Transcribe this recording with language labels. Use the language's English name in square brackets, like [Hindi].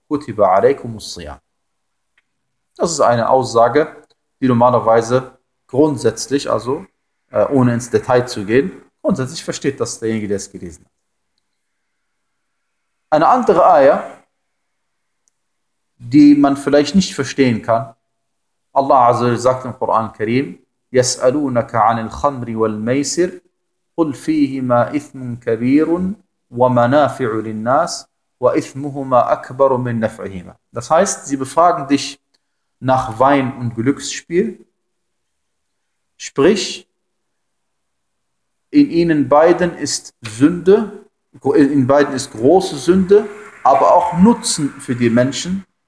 [Arabic] Kutiba alaikumus siyam. [German] Das ist eine Aussage, die normalerweise grundsätzlich, also ohne ins Detail zu gehen, grundsätzlich versteht das derjenige, der es gelesen hat. Eine andere Ayah, die man vielleicht nicht verstehen kann. Allah Azza wa Jalla sagt im Koran Karim, [Arabic] يسألونك عن الخمر والميسر قل فيهما إثم كبير ومنافع للناس وإثمهما أكبر من نفعهما. [German] Das heißt, sie befragen dich nach Wein und Glücksspiel, sprich, in ihnen beiden ist Sünde, in beiden ist große Sünde, aber auch Nutzen für die Menschen.